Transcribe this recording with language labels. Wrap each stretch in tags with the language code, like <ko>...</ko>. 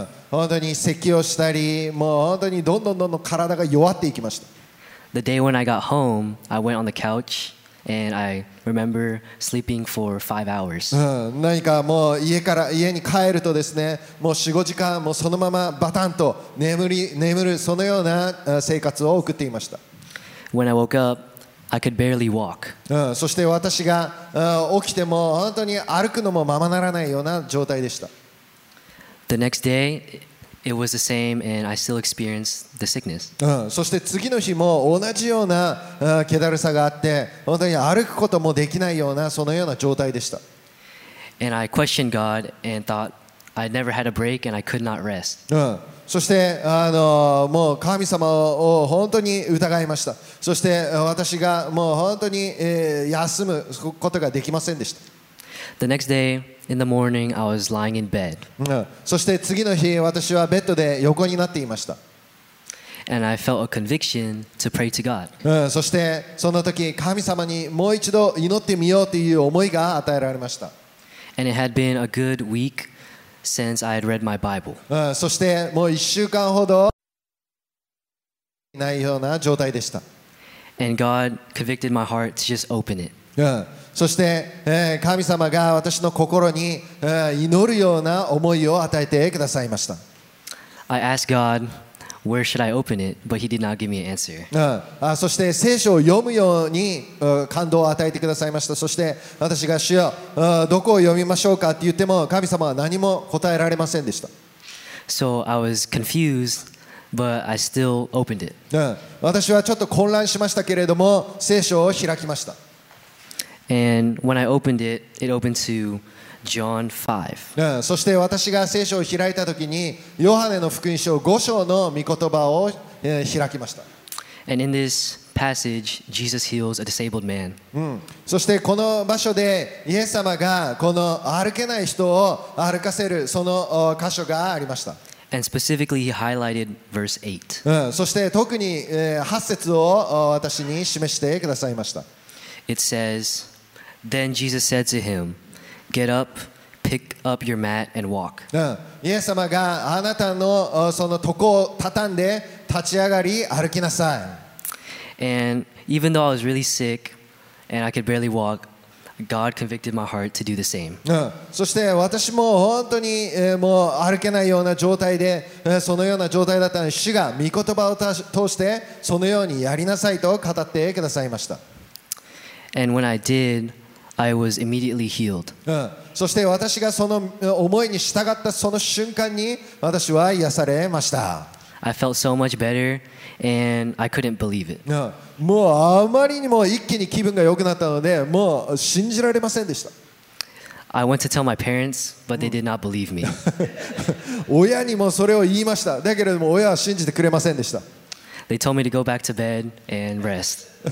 <ja>本当に咳をしたり、もう本当にどんどんどんどん体が弱っていきました。</ja> <en>The day when I got home, I went on the couch. And I remember sleeping for 5 hours.</en> <ja>何かもう家に帰るとですね、もう 4、5 時間もうそのままバタンと眠るそのような生活を送っていました。</ja> <en>When I woke up, I could barely walk.</en> <ja>そして私が起きても本当に歩くのもままならないような状態でした。</ja> <en>The next day, it was the same, and I still experienced the sickness.</en> <ja>そして次の日も同じような気だるさがあって、本当に歩くこともできないようなそのような状態でした。</ja> <en>And I questioned God and thought I never had a break and I could not rest.</en> <ja>そしてもう神様を本当に疑いました。そして私がもう本当に休むことができませんでした。</ja> <en>The next day. In the morning, I was lying in bed.</en> <ja>そして次の日、私はベッドで横になっていました。</ja> <en>And I felt a conviction to pray to God.</en> <ja>そしてその時、神様にもう一度祈ってみようという思いが与えられました。</ja> <en>And it had been a good week since I had read my Bible.</en> <ja>そしてもう1週間ほどないような状態でした。</ja> <en>And God convicted my heart to just open it.</en> <ja>そして神様が私の心に祈るような思いを与えてくださいました。</ja> <en>I asked God, where should I open it? But he did not give me an answer.</en> <ja>そして聖書を読むように感動を与えてくださいました。そして私が主よ、どこを読みましょうかって言っても神様は何も答えられませんでした。</ja> <en>So I was confused, but I still opened it.</en> <ja>私はちょっと混乱しましたけれども聖書を開きました。</ja> <en>And when I opened it, it opened to John 5.</en> <ja>そして私が聖書を開いたときに、ヨハネの福音書5章の御言葉を開きました。</ja> <en>And in this passage, Jesus heals a disabled man.</en> <ja>そしてこの場所でイエス様がこの歩けない人を歩かせるその箇所がありました。</ja> <en>And specifically, he highlighted verse 8.</en> <ja>そして特に8節を私に示してくださいました。</ja> <en>It says, Then Jesus said to him, Get up, pick up your mat and walk.</en> <ja>イエス様があなたのその床を畳んで立ち上がり歩きなさい。</ja> <en>And even though I was really sick and I could barely walk, God convicted my heart to do the same.</en> <ja>そして私も本当にもう歩けないような状態でそのような状態だったので主が御言葉を通してそのようにやりなさいと語ってくださいました。</ja> <en>And when I did, I was immediately healed.</en> <ja>そして私がその思いに従ったその瞬間に私は癒されました。</ja> <en>I felt so much better, and I couldn't believe it.</en> <ja>もうあまりにも一気に気分が良くなったので、もう信じられませんでした。</ja> <en>I went to tell my parents, but they did not believe me.</en> <ja>親にもそれを言いました。だけれども親は信じてくれませんでした。</ja> <en>They told me to go back to bed and rest.</en>